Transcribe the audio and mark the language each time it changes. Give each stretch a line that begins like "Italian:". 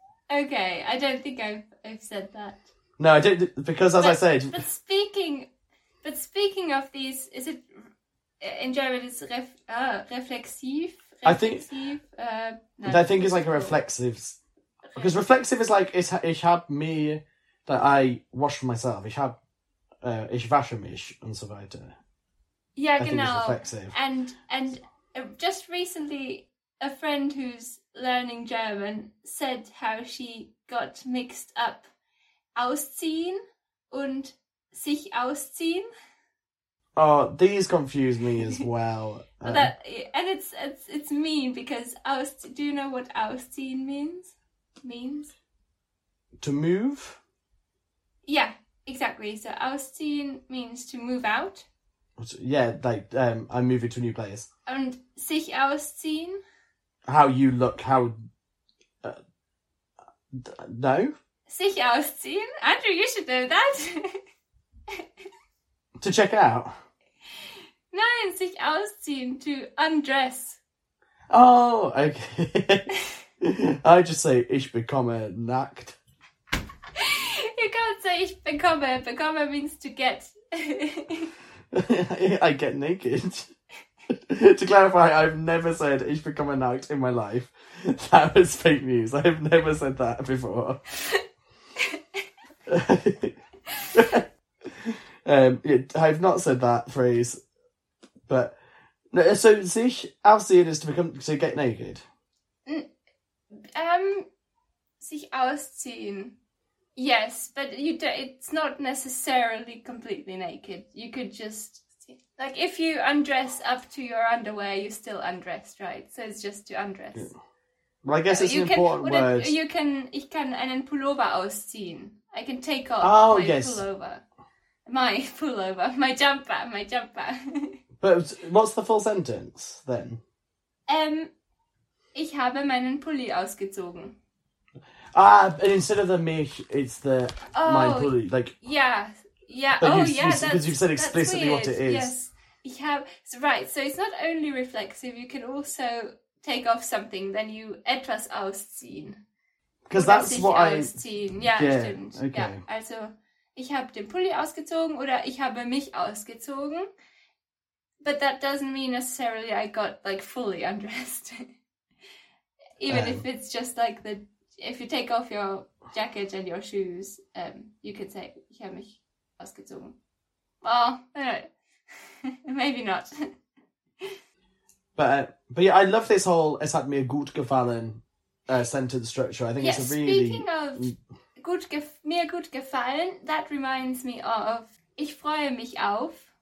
English: Okay, I don't think I've said that. No, I don't, because as but, I said... But speaking of these, is it, in German, it's reflexiv? I think it's like a reflexive... Because reflexive is like,
German: ich hab mir...
English: That I wash myself.
German: Ich wasche mich und so weiter.
English: Yeah,
German: genau.
English: And just recently, a friend who's learning German said how she got mixed up
German: ausziehen und sich ausziehen.
English: Oh, these confuse me as well. it's mean because do you know what ausziehen means? To move. Yeah, exactly. So ausziehen means to move out. Yeah, like I'm moving to a new place.
German: And sich ausziehen?
English: How you look, how... no?
German: Sich ausziehen?
English: Andrew, you should know that. To check out?
German: Nein, sich ausziehen,
English: to undress. Oh, okay. I just say,
German: ich bekomme nackt.
English: You can't say
German: ich bekomme.
English: Bekomme means to get. I get naked. To clarify, I've never said
German: ich bekomme nackt
English: in my life. That was fake news. I have never said that before. I've not said that phrase. But no, so sich ausziehen is to get naked.
German: Sich ausziehen.
English: Yes, but it's not necessarily completely naked. You could just... Like, if you undress up to your underwear, you're still undressed, right? So it's just to undress. Yeah. Well, I guess it's an important word.
German: Ich kann einen Pullover ausziehen.
English: I can take off pullover. My pullover. My jumper. But what's the full sentence, then?
German: Ich habe meinen Pulli ausgezogen.
English: And instead of the mich, it's the my pulli. Like, Because you've said explicitly what it is. Yes. So it's not only reflexive, you can also take off something, then you
German: etwas ausziehen.
English: Because that's what I... Ausziehen. Yeah, yeah,
German: stimmt.
English: Okay. Yeah.
German: Also, ich habe den Pulli ausgezogen oder ich habe mich ausgezogen.
English: But that doesn't mean necessarily I got, like, fully undressed. Even if it's just, like, the... If you take off your jacket and your shoes, you could say,
German: ich habe mich ausgezogen.
English: Well, maybe not. But yeah, I love this whole,
German: es hat mir gut gefallen
English: sentence structure. I think it's a really... Speaking of
German: mir gut gefallen,
English: that reminds me of,
German: ich freue mich auf.